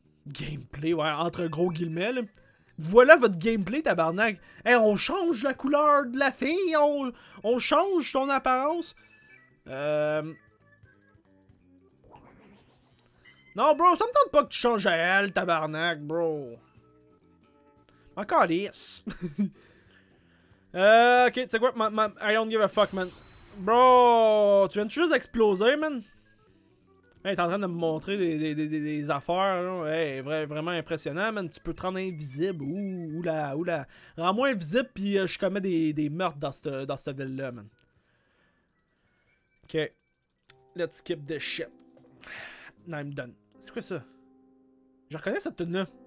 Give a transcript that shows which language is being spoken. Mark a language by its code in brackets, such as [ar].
[fr] Gameplay, ouais, entre gros guillemets, là. Voilà votre gameplay, tabarnak. Hey, on change la couleur de la fille. On change ton apparence. Non, bro, ça me tente pas que tu changes à elle, tabarnak, bro. Encore lisse. [en] ok, [fr] tu sais quoi, [en] I don't give a fuck, man. [fr] Bro, tu viens juste d'exploser, man. Hey, t'es en train de me montrer des affaires, là. Hey, vraiment impressionnant, man. Tu peux te rendre invisible. Oula. Rends-moi invisible, pis je commets des meurtres dans cette ville-là, man. [en] Ok, let's skip this shit. Now I'm done. [fr] C'est quoi ça? Je reconnais cette tune-là.